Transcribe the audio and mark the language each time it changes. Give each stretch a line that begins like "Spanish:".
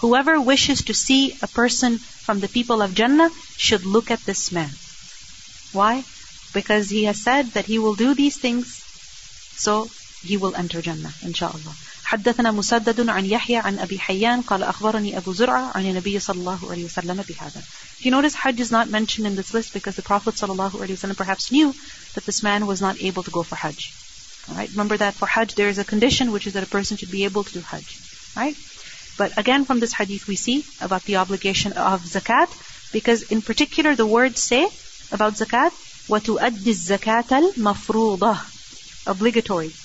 English: Whoever wishes to see a person from the people of Jannah should look at this man. Why? Because he has said that he will do these things. So, he will enter Jannah, inshallah.
Arabic: حدثنا مسدد عن يحيى عن أبي حيان قال أخبرني أبو زرعة عن النبي صلى الله عليه وسلم بهذا.
English: If you notice, Hajj is not mentioned in this list because the Prophet صلى الله عليه وسلم perhaps knew that this man was not able to go for Hajj. Right? Remember that for Hajj there is a condition which is that a person should be able to do Hajj. Right? But again, from this hadith we see about the obligation of zakat, because in particular the words say about zakat,
Arabic: وتؤدي الزكاة المفروضة,
English: obligatory.